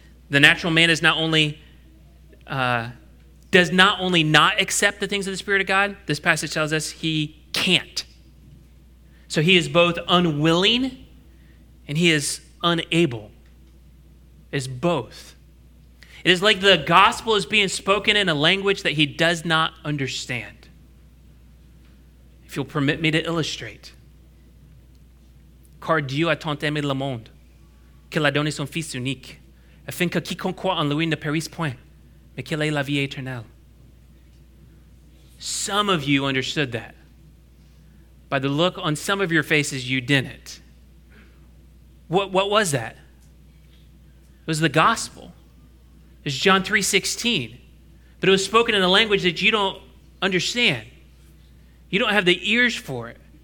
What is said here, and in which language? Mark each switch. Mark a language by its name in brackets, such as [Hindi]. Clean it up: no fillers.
[English] The natural man does not only not accept the things of the Spirit of God, this passage tells us he can't. So he is both unwilling and he is unable. It's both. It is like the gospel is being spoken in a language that he does not understand. If you'll permit me to illustrate. [French] Car Dieu a tant aimé le monde, qu'il a donné son fils unique, afin que quiconque croit en lui ne périsse point, mais qu'il ait la vie éternelle. [English] Some of you understood that. By the look on some of your faces, you didn't. What was that? It was the gospel. It's John 3:16. But it was spoken in a language that you don't understand. You don't have the ears for it.